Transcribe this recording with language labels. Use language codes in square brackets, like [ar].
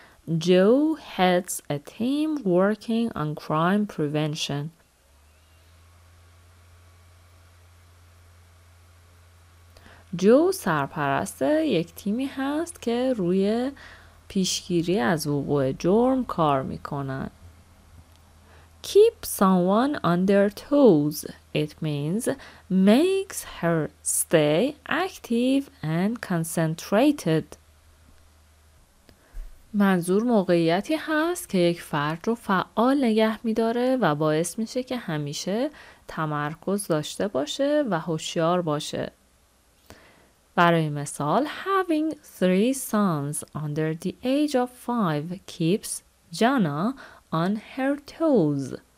[en] Joe heads a team working on crime prevention. [fa] جو سرپرست یک تیمی هست که روی پیشگیری از وقوع جرم کار میکنن. [en] Keep someone on their toes. It means makes her stay active and concentrated. [fa] منظور موقعیتی هست که یک فرد رو فعال نگه میداره و باعث میشه که همیشه تمرکز داشته باشه و هوشیار باشه. برای مثال، [en] having three sons under the age of five keeps Jana on her toes.